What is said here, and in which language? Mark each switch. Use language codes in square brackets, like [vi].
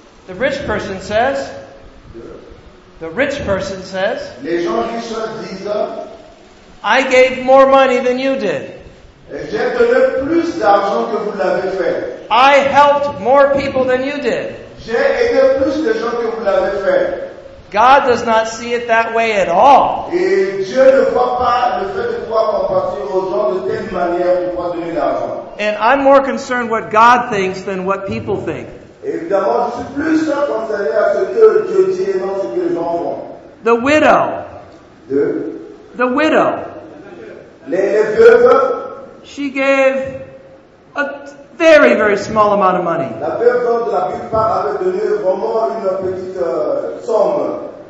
[en] The rich person says. The rich person says. [fr] Les gens riches disent. [en] I gave more money than you did. [fr] J'ai donné plus d'argent que vous l'avez fait. [en] I helped more people than you did. [fr] J'ai aidé plus de gens que vous l'avez fait. [en] God does not see it that way at all. [fr] Et Dieu ne voit pas le fait de pouvoir compartir aux gens de telle manière pour pouvoir donner l'argent. [en] And I'm more concerned what God thinks than what people think. [fr] Évidemment, je suis plus concerné à ce que Dieu dit et non ce que les gens font. [en] The widow. The widow. [fr] Les veuves. [en] She gave a very, very small amount of money. [fr] La veuve de la Bible avait donné vraiment une petite somme.